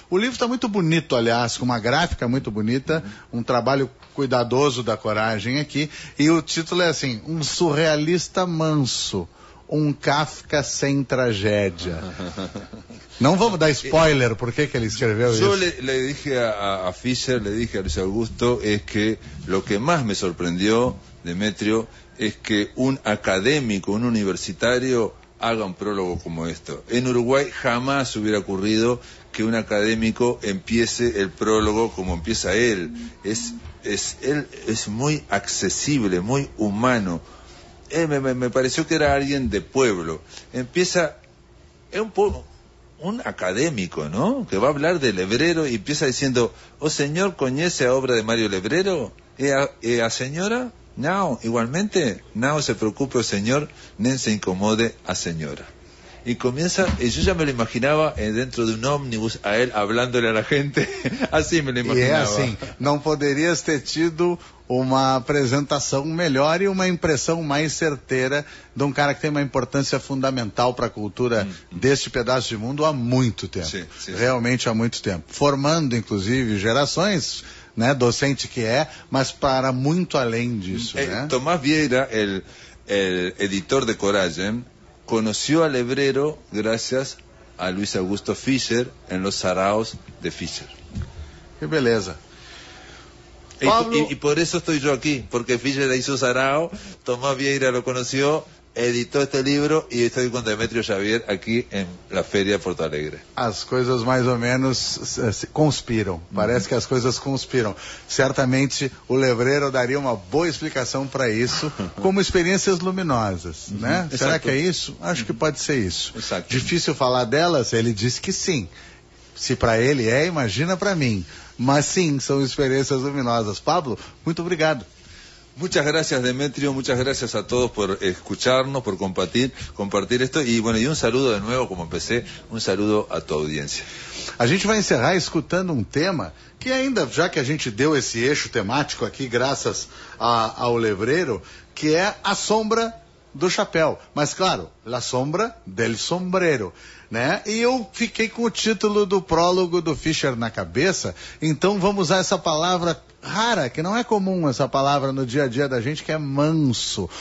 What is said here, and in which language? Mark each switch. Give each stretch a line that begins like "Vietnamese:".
Portuguese: O livro está muito bonito, aliás, com uma gráfica muito bonita, um trabalho cuidadoso da Coragem aqui, e o título é assim: Um Surrealista Manso, Um Kafka Sem Tragédia. Não vamos dar spoiler porque que ele escreveu isso.
Spanish: Le dije a Fischer, le dije a Luis Augusto, es que lo que más me sorprendió, Demetrio, es que un académico, un universitario, haga un prólogo como esto. En Uruguay jamás hubiera ocurrido que un académico empiece el prólogo como empieza él. Él es muy accesible, muy humano. Me pareció que era alguien de pueblo. Empieza, es un académico, ¿no? Que va a hablar de Lebrero y empieza diciendo:
Portuguese: ¿O señor conoce a obra de Mario
Spanish: Lebrero? ¿Y a señora? No, igualmente, no se preocupe, señor,
Portuguese: nem se incomode a señora.
Spanish: Y comienza, y yo ya me lo imaginaba dentro de un ómnibus a él hablándole a la gente, así me lo imaginaba. Y es así, no podrías
Portuguese: ter tido uma apresentação melhor e uma impressão mais certeira de um cara que tem uma importância fundamental para a cultura deste pedaço de mundo há muito tempo. Sim, sim, realmente sim. Há muito tempo. Formando, inclusive, gerações, né, docente que é, mas para muito além disso. Né? Tomás Vieira,
Spanish: el editor de Coragem,
Portuguese: conheceu a Lebrero graças a Luis Augusto Fischer em Los Saraos de Fischer. Que beleza.
Spanish: Y por eso estoy yo aquí, porque Fischer le hizo Sarao, Tomás Vieira lo conoció, editó este libro y estoy con Demetrio Xavier aquí en la Feria de Porto Alegre. Las cosas más o menos conspiran, parece que las cosas conspiran.
Portuguese: Certamente, o Lebrero
Spanish: daría una buena explicación para eso, como experiencias luminosas, ¿no? ¿Será que es eso?
Portuguese: Acho que
Spanish: puede ser eso. Difícil hablar delas, él dice que sí.
Portuguese: Se para ele é, imagina para mim. Mas sim, são experiências luminosas. Pablo, muito obrigado.
Spanish: Muchas gracias, Demetrio. Muchas gracias a todos por escucharnos, por compartir esto. Y bueno, y un saludo de nuevo, como empecé, un saludo a tu audiencia.
Portuguese: A gente vai encerrar escutando um tema que ainda, já que a gente deu esse eixo temático aqui, graças ao Lebrero, que é A Sombra do Chapéu. Mas claro, La Sombra del Sombrero. né? E eu fiquei com o título do prólogo do Fischer na cabeça, então vamos usar essa palavra rara, que não é comum essa palavra no dia a dia da gente, que é manso.